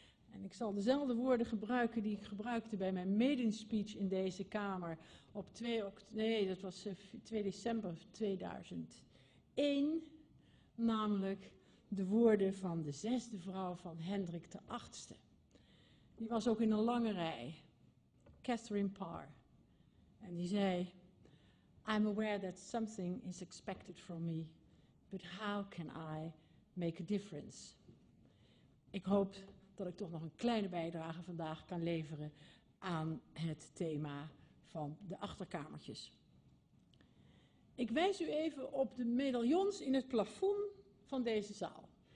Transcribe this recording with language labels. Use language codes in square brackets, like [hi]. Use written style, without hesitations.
[nl] En ik zal dezelfde woorden gebruiken die ik gebruikte bij mijn maiden speech in deze Kamer op 2 december 2001. Namelijk de woorden van de zesde vrouw van Hendrik de Achtste. Die was ook in een lange rij, Catherine Parr. En die zei, [en] I'm aware that something is expected from me. But how can I make a difference? [nl] Ik hoop dat ik toch nog een kleine bijdrage vandaag kan leveren aan het thema van de achterkamertjes. Ik wijs u even op de medaillons in het plafond van deze zaal.